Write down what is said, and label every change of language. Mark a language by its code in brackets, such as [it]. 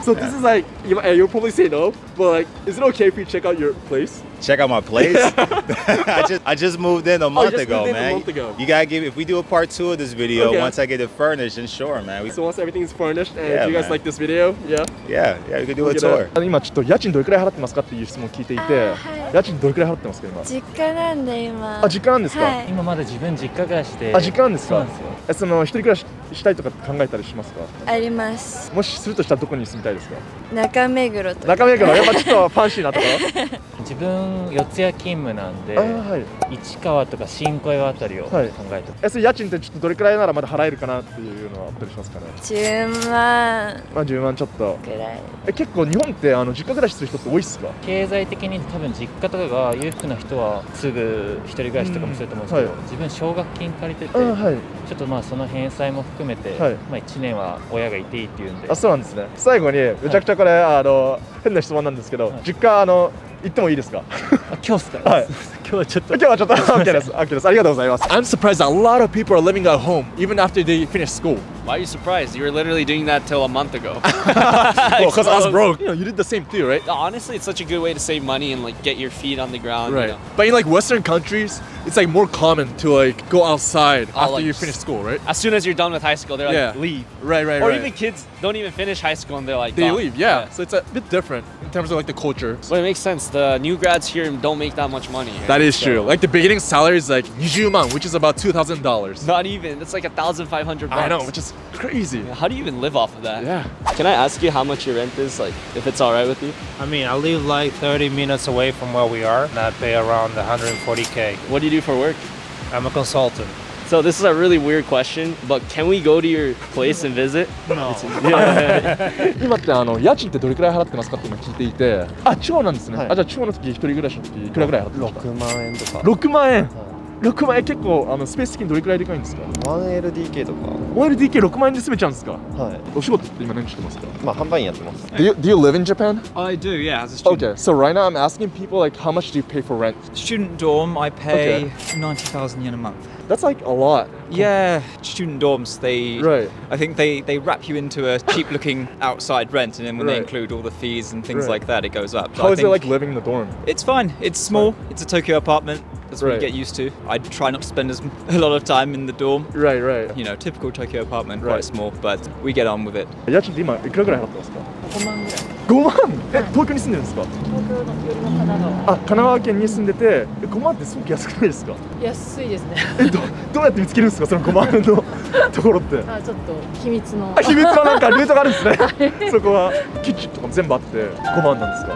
[en] So this is like, you'll probably say no, but like, is it okay if you check out your place? Check out my place? I just moved in a month ago, man. You gotta give, if we do a part two of this video, okay. Once I get it furnished, then sure, man. So once everything's furnished, and yeah, if you guys, man, like this video, yeah? Yeah, yeah, we could do a tour. [ja] 今ちょっと家賃どれくらい払ってますかっていう質問聞いていて、家賃どれくらい払ってますか今。実家なんで今。あ、実家なんですか。今まだ自分実家暮らしで。あ、実家なんですか。そうなんですよ。その一人暮らししたいとか考えたりしますか。あります。もしするとしたらどこに住みたいですか。中目黒とか。中目黒、やっぱちょっとファンシーなとか。自分四ツ谷勤務なんで、はい、市川とか新小岩あたりを考えてます、はい、それ家賃ってちょっとどれくらいならまだ払えるかなっていうのはあったりしますかね。 10万。まあ10万ちょっとぐらい。え、結構日本ってあの実家暮らしする人って多いっすか。経済的に多分実家とかが裕福な人はすぐ一人暮らしとかもすると思うんですけど、はい、自分奨学金借りてて、はい、ちょっとまあその返済も含めて、はい、まあ、1年は親がいていいっていうんで。あ、そうなんですね。最後にめちゃくちゃこれ、はい、あの変な質問なんですけど、はい、実家あの行ってもいいですか。あ、今日ですか。はい、今日はちょっと OK です。OK です。ありがとうございます。 [en] I'm surprised a lot of people are living at home even after they finish school. Why are you surprised? You were literally doing that till a month ago. Well, because I was broke. You know, you did the same too, right? Honestly, it's such a good way to save money and like get your feet on the ground. Right. You know? But in like Western countries, it's like more common to like go outside after you finish school, right? As soon as you're done with high school, they're like, leave. Right. Or even kids don't even finish high school and they're like, they leave, yeah. So it's a bit different in terms of like the culture. But it makes sense. The new grads here don't make that much money. Right? That is true. Like the beginning salary is like 20,000, which is about $2,000. Not even. It's like $1,500. I know, which is crazy. How do you even live off of that? Yeah. Can I ask you how much your rent is, like, if it's all right with you? I mean, I live like 30 minutes away from where we are, and I pay around 140K. What do you do for work? I'm a consultant. So this is a really weird question, but can we go to your place and visit? No. [ja] 今ってあの家賃ってどれくらい払ってますかって聞いていて、あ、地方なんですね。あ、じゃあ地方の時一人暮らしの時いくらぐらい払ってますか？ 6万円とか。六万円。 6万円結構あのスペース的にどれくらいでかいんですか 1LDK とか 1LDK6 万円で住めちゃうんですかはいお仕事って今何してますかまあ販売員やってます [en] Do you live in Japan? I do, yeah, as a student Okay, so right now I'm asking people like how much do you pay for rent? Student dorm, I pay 90,000 yen a month That's like a lot Yeah, student dorms, they I think they wrap you into a cheap looking outside rent And then when they include all the fees and things like that it goes up But How is it like living in the dorm? It's fine, it's small, it's a Tokyo apartmentThat's what you get used to. I try not to spend a lot of time in the dorm. Right. You know, typical Tokyo apartment, quite small, but we get on with it. [ja] 家賃って今いくらぐらい払ってますか 5万ぐらい。 5万え、東京に住んでるんですか東京の神奈川県に住んでて、5万ってすごく安くないですか安いですね。え、どうやって見つけるんですかその5万のところって。あ、ちょっと秘密の。あ、秘密のなんかルートがあるんですね。そこはキッチンとかも全部あって5万なんですか